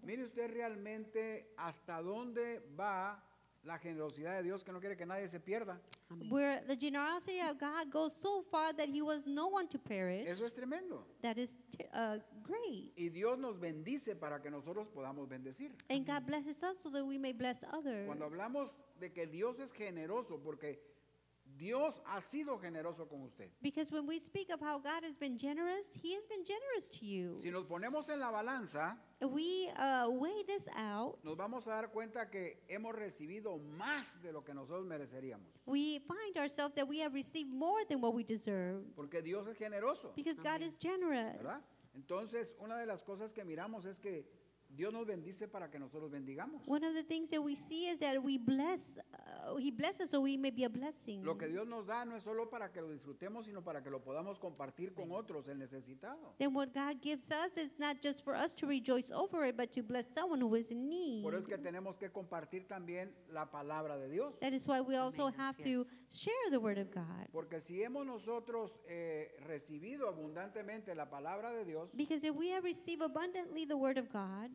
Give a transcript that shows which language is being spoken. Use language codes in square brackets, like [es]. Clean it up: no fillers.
[es] Mire usted realmente hasta dónde va la generosidad de Dios, que no quiere que nadie se pierda. [en] Where the generosity of God goes so far that he wants no one to perish. [es] Eso es tremendo. [en] That is great. [es] Y Dios nos bendice para que nosotros podamos bendecir. [en] And God blesses us so that we may bless others. [es] Cuando hablamos de que Dios es generoso, porque Dios ha sido generoso con usted. [en] Because when we speak of how God has been generous, he has been generous to you. [es] Si nos ponemos en la balanza, [en] we weigh this out, [es] nos vamos a dar cuenta que hemos recibido más de lo que nosotros mereceríamos. [en] We find ourselves that we have received more than what we deserve. [es] Porque Dios es generoso. [en] Because God is generous. [es] ¿Verdad? Entonces, una de las cosas que miramos es que Dios nos bendice para que nosotros bendigamos. [en] One of the things that we see is that we bless, he blesses so we may be a blessing. [es] Lo que Dios nos da no es solo para que lo disfrutemos, sino para que lo podamos compartir con otros, el necesitado. [en] Then what God gives us is not just for us to rejoice over it, but to bless someone who is in need. [es] Por eso es que tenemos que compartir también la palabra de Dios. [en] That is why we also have to share the word of God. [es] Porque si hemos nosotros recibido abundantemente la palabra de Dios, [en] because if we have received abundantly the word of God,